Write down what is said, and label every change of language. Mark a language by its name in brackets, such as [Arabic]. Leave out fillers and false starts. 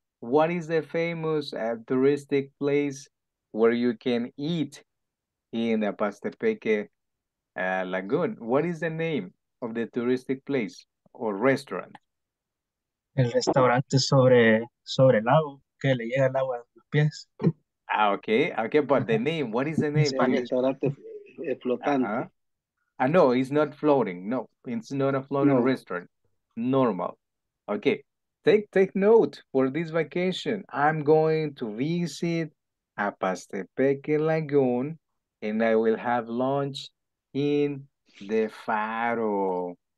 [English] What is the famous touristic place where you can eat in the Apastepeque lagoon? What is the name of the touristic place or restaurant? [Spanish] El restaurante sobre el agua, que le llega el agua a los pies. [English] Okay, but the name, what is the name? [Spanish] El restaurante flotante. [English] Uh-huh. No, it's not floating. No, it's not a floating restaurant. Normal. Okay, take note for this vacation. I'm going to visit Apastepeque Lagoon, and I will have lunch in the Faro.